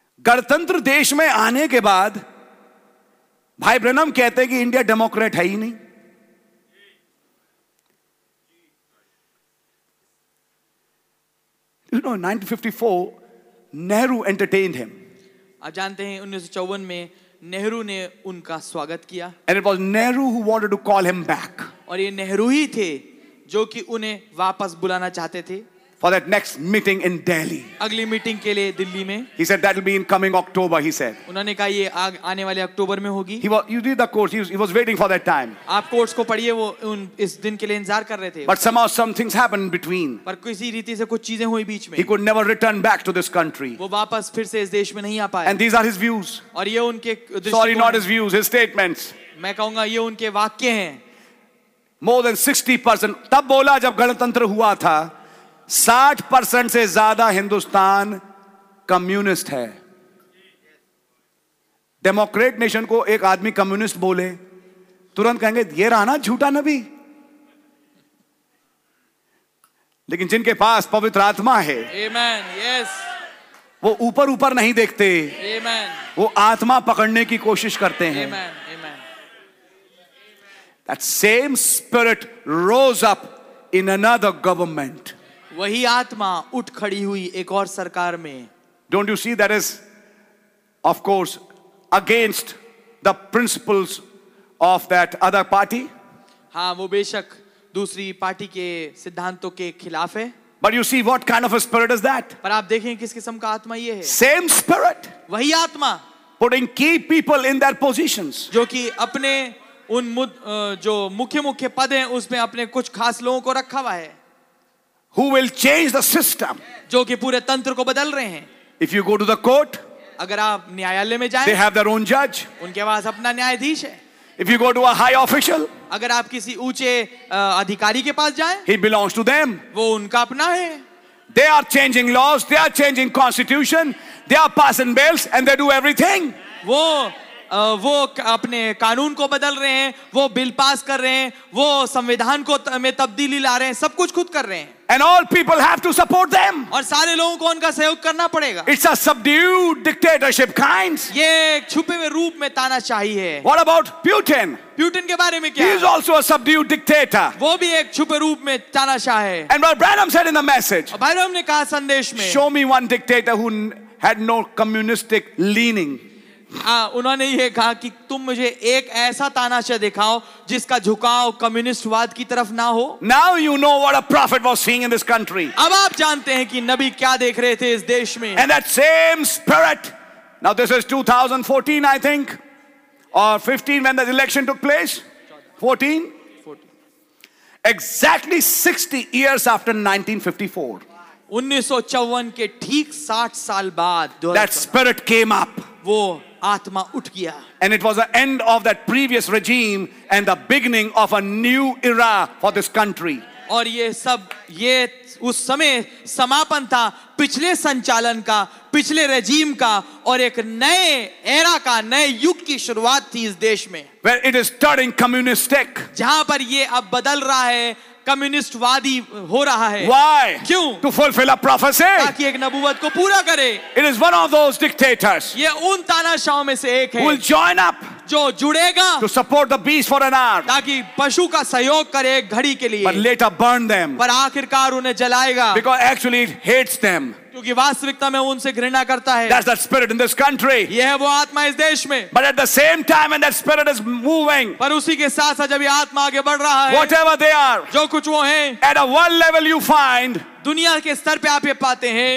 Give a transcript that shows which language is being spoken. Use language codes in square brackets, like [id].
[hi] गणतंत्र देश में आने के बाद भाई ब्रनम कहते हैं कि इंडिया डेमोक्रेट है ही नहीं. [en] You know 1954 Nehru entertained him. [hi] आप जानते हैं 1954 में नेहरू ने उनका स्वागत किया. [en] And it was Nehru who wanted to call him back. [hi] और ये नेहरू ही थे जो कि उन्हें वापस बुलाना चाहते थे. [en] For that next meeting in Delhi. [hi] अगली मीटिंग के लिए दिल्ली में. [en] He said that will be in coming October. He said. [hi] उन्होंने कहा ये आने वाले अक्टूबर में होगी. [en] He was, you did the course. He was waiting for that time. [hi] आप कोर्स को पढ़िए, वो उन इस दिन के लिए इंतजार कर रहे थे. [en] But somehow some things happened between. [hi] पर किसी रीति से कुछ चीजें हुई बीच में. [en] He could never return back to this country. [hi] वो वापस फिर से इस देश में नहीं आ पाए. [en] And these are his views. [hi] और ये उनके [en] sorry not his views, his statements. [hi] मैं कहूँगा ये उनके वाक्य हैं. [en] More than 60% [hi] तब बोला जब गणतंत्र हुआ था. 60% से ज्यादा हिंदुस्तान कम्युनिस्ट है. डेमोक्रेट नेशन को एक आदमी कम्युनिस्ट बोले तुरंत कहेंगे ये रहा ना झूठा नबी. लेकिन जिनके पास पवित्र आत्मा है, [en] Amen, yes. [hi] वो ऊपर ऊपर नहीं देखते. [en] Amen. [hi] वो आत्मा पकड़ने की कोशिश करते हैं. [en] Amen. That same spirit rose up in another government. [hi] वही आत्मा उठ खड़ी हुई एक और सरकार में. [en] Don't you see that is of course against the principles of that other party. [hi] हाँ, वो बेशक दूसरी पार्टी के सिद्धांतों के खिलाफ है. [en] But you see what kind of a spirit is that. [hi] पर आप देखें किस किस्म का आत्मा ये है. [en] Same spirit. [hi] वही आत्मा. [en] Putting की people in that positions. [hi] जो कि अपने उन जो मुख्य मुख्य पद है उसमें अपने कुछ खास लोगों को रखा हुआ है. [en] Who will change the system? [hi] जो कि पूरे तंत्र को बदल रहे हैं. [en] If you go to the court, [hi] अगर आप न्यायालय में जाएं, [en] they have their own judge. [hi] उनके पास अपना न्यायाधीश है. [en] If you go to a high official, [hi] अगर आप किसी ऊंचे अधिकारी के पास जाएं, [en] he belongs to them. [hi] वो उनका अपना है. [en] They are changing laws, they are changing constitution, they are passing bills, and they do everything. [hi] वो अपने कानून को बदल रहे हैं, वो बिल पास कर रहे हैं, वो संविधान को में तब्दीली ला रहे हैं, सब कुछ खुद कर रहे हैं. [en] And all people have to support them. [hi] और सारे लोगों को उनका सहयोग करना पड़ेगा. [en] It's a subdued dictatorship kind. [hi] ये छुपे हुए रूप में तानाशाही है. [en] What about Putin? [hi] Putin के बारे में क्या? [en] He is also a subdued dictator. [hi] वो भी एक छुपे रूप में तानाशाह है. [en] And what Branham said in the message? [hi] Branham ने कहा संदेश में. [en] Show me one dictator who had no communistic leaning. [hi] उन्होंने ये कहा कि तुम मुझे एक ऐसा तानाशाह दिखाओ जिसका झुकाव कम्युनिस्टवाद की तरफ ना हो. [en] Now you know what a prophet was seeing in this country. [hi] अब आप जानते हैं कि नबी क्या देख रहे थे इस देश में. [en] And that same spirit. Now this is 2014, I think, or 15 when the election took place. 14. Exactly 60 years after 1954. [hi] 1954 के ठीक 60 साल बाद. [en] That spirit came up. [hi] वो आत्मा उठ गया. [en] And it was the end of that previous regime and the beginning of a new era for this country. [hi] और ये सब ये उस समय समापन था पिछले संचालन का, पिछले रेजिम का, और एक नए एरा का, नए युग की शुरुआत थी इस देश में. [en] Where it is turning communistic. [hi] जहां पर ये अब बदल रहा है, कम्युनिस्टवादी हो रहा है. [en] Why? [hi] क्यों? [en] To fulfill a prophecy. [hi] ताकि एक नबुवत को पूरा करे. [en] It is one of those dictators. [hi] ये उन तानाशाहों में से एक है. [en] Will join up. [hi] जो जुड़ेगा. [en] To support the beast for an hour. [hi] ताकि पशु का सहयोग करे एक घड़ी के लिए. [en] But later burn them. [hi] पर आखिरकार उन्हें जलाएगा. [en] Because actually it hates them. [hi] क्योंकि वास्तविकता में उनसे घृणा करता है. [en] That's the spirit in this country. [hi] यह है वो आत्मा इस देश में. [en] But at the same time, when that spirit is moving, [hi] पर उसी के साथ साथ जब ये आत्मा आगे बढ़ रहा है, [en] whatever they are, [hi] जो कुछ वो हैं, [en] at a world level you find, [hi] दुनिया के स्तर पे आप ये पाते हैं,